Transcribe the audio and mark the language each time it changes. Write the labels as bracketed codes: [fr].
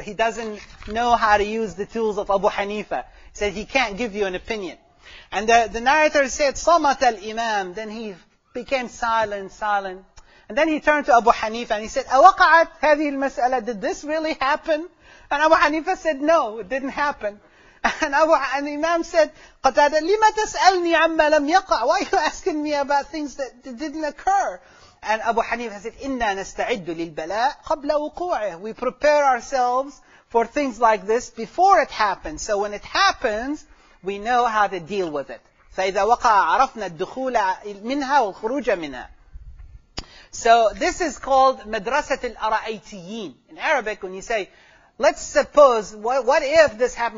[en] He doesn't know how to use the tools of Abu Hanifa. He said he can't give you an opinion. And the narrator said, [ar] صَمَتَ الْإِمَامِ. [en] Then he became silent. And then he turned to Abu Hanifa and he said, [ar] أَوَقَعَتْ هَذِهِ الْمَسْأَلَةِ. [en] Did this really happen? And Abu Hanifa said, no, it didn't happen. And the Imam said, [ar] قَتَادَ لِمَ تَسْأَلْنِي عَمَّا لَمْ يَقَعْ. [en] Why are you asking me about things that didn't occur? And Abu Hanifa said, [ar] إِنَّا نَسْتَعِدُّ لِلْبَلَاءِ قَبْلَ وُقُوعِهِ. [en] We prepare ourselves for things like this before it happens. So when it happens, we know how to deal with it. [ar] فَإِذَا وَقَعَ عَرَفْنَا الدُّخُولَ مِنْهَا وَالْخُرُوجَ مِنْهَا. [en] So this is called madrasat al-ara'aytiyin. In Arabic, when you say, let's suppose, what if this happened?